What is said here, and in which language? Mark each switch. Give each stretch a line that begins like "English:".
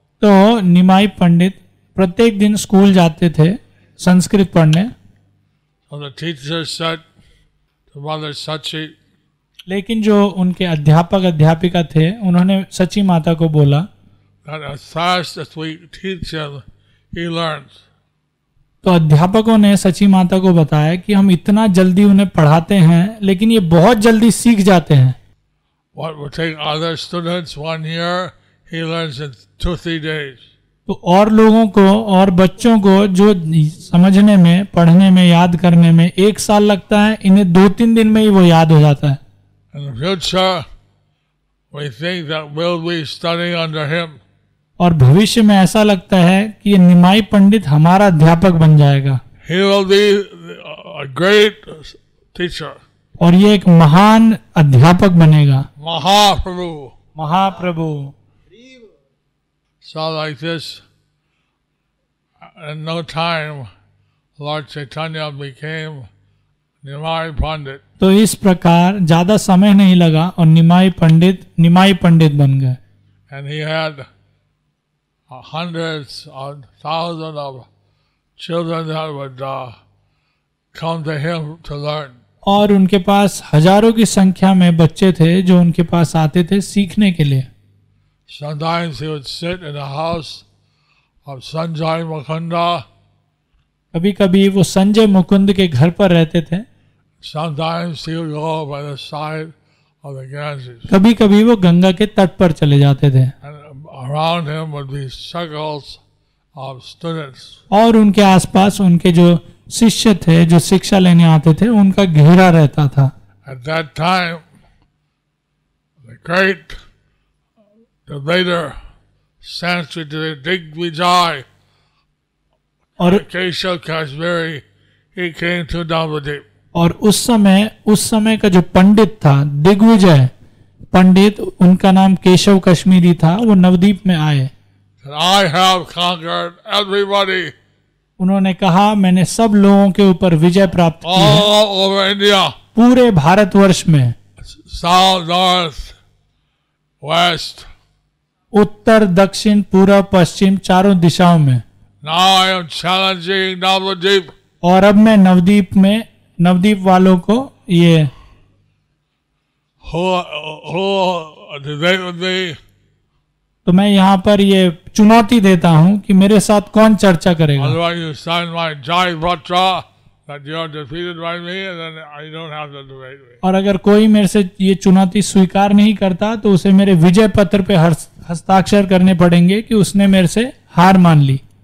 Hindi: तो निमाई पंडित प्रत्येक दिन स्कूल जाते थे संस्कृत पढ़ने.
English: So the teacher said to Mother Sachi.
Hindi: लेकिन जो उनके अध्यापक अध्यापिका थे उन्होंने सची माता को बोला.
English: That as fast as we teach him, he learns.
Hindi: तो अध्यापकों ने सची माता को बताया कि हम इतना जल्दी उन्हें पढ़ाते हैं लेकिन ये बहुत जल्दी सीख जाते हैं
English: What would take other students one year, he learns in two, three days.
Hindi: तो और लोगों को और बच्चों को जो समझने में पढ़ने में याद करने में एक साल लगता है इन्हें दो तीन दिन में ही वो याद हो जाता है
English: In the future, we think that we'll be studying under him.
Hindi: और भविष्य में ऐसा लगता है कि ये निमाई पंडित हमारा अध्यापक बन जाएगा
English: He will be a great teacher.
Hindi: और ये एक महान अध्यापक बनेगा महाप्रभु महाप्रभु
English: So like this, in no time, Lord Chaitanya became Nimai Pandit.
Hindi: तो इस प्रकार ज्यादा समय नहीं लगा और निमाई पंडित बन गए
English: And he had hundreds of thousands of children that would come to him to learn.
Hindi: और उनके पास हजारों की संख्या में बच्चे थे जो उनके पास आते थे सीखने के लिए.
English: Sometimes he would sit in the house of Sanjay Mukunda.
Hindi: कभी-कभी वो संजय मुकुंद के घर पर रहते थे.
English: Sometimes he would go by the side of the Ganges.
Hindi: कभी-कभी वो गंगा के तट पर चले जाते थे.
English: And around him would be circles of students.
Hindi: और उनके आसपास उनके जो शिष्य थे जो शिक्षा लेने आते थे उनका घेरा रहता था.
English: At that time, the great debater, Sanskrit Digvijay, Keshav Kashmiri, he came to Navadvip.
Hindi: और उस समय का जो पंडित था दिग्विजय पंडित उनका नाम केशव कश्मीरी था वो नवदीप में आए.
English: I have conquered everybody.
Hindi: उन्होंने कहा मैंने सब लोगों के ऊपर विजय प्राप्त की पूरे भारतवर्ष में
English: south north west
Hindi: उत्तर दक्षिण पूर्व पश्चिम चारों दिशाओं में.
English: Now I am challenging Navadvip.
Hindi: और अब मैं नवदीप में नवदीप वालों को ये तो मैं यहाँ पर ये चुनौती देता हूँ कि मेरे साथ कौन चर्चा करेगा और अगर कोई मेरे से ये चुनौती स्वीकार नहीं करता तो उसे मेरे विजय पत्र पे हस्ताक्षर करने पड़ेंगे कि उसने मेरे से हार मान ली.